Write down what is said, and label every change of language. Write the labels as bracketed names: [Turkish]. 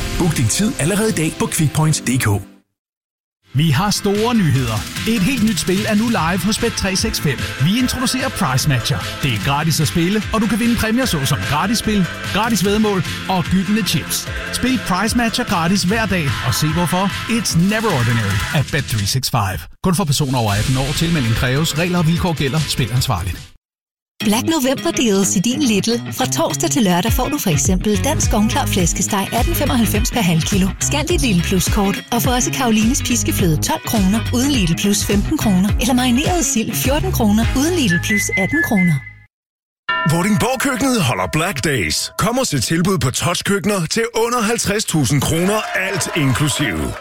[Danish] Book din tid allerede i dag på quickpoint.dk. Vi har store nyheder. Et helt nyt spil er nu live hos Bet365. Vi introducerer Price Matcher. Det er gratis at spille, og du kan vinde præmier såsom gratis spil, gratis væddemål og gyldne chips. Spil Price Matcher gratis hver dag og se hvorfor. [English] It's never ordinary at Bet365. [Danish] Kun for personer over 18 år. Tilmelding kræves. Regler og vilkår gælder. Spil ansvarligt. Black November deals i din Lidl. Fra torsdag til lørdag får du for eksempel dansk ovnklar flæskesteg 18,95 per halv kilo. Scan dit Lidl Plus kort og få også Karolines piskefløde 12 kroner uden Lidl Plus 15 kroner eller marineret sild 14 kroner uden Lidl Plus 18 kroner. Vordingborg Køkkenet holder Black Days. Kom og se tilbud på touchkøkkener til under 50.000 kroner alt inklusive.